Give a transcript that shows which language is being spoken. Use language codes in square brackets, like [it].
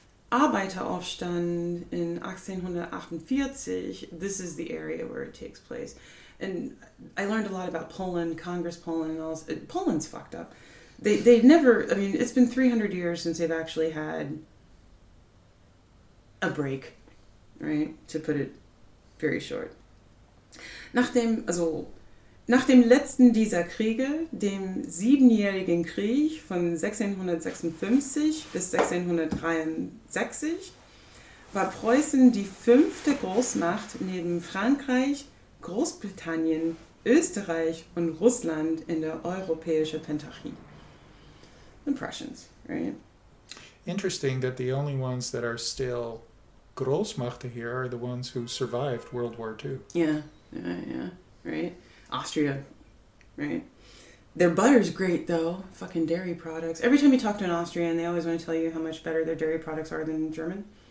[en] Arbeiteraufstand in 1848, this is the area where it takes place. And I learned a lot about Poland, Congress Poland, and all. Poland's fucked up. They've never, I mean, it's been 300 years since they've actually had a break, right? To put it very short. [de] Nach dem letzten dieser Kriege, dem Siebenjährigen Krieg von 1656 bis 1663, war Preußen die 5. Großmacht neben Frankreich, Großbritannien, Österreich und Russland in der europäischen Pentarchie. [en] The Prussians, right? Interesting that the only ones that are still Großmacht here are the ones who survived World War II. Yeah, right? Austria, right? Their butter's great, though. Fucking dairy products. Every time you talk to an Austrian, they always want to tell you how much better their dairy products are than German.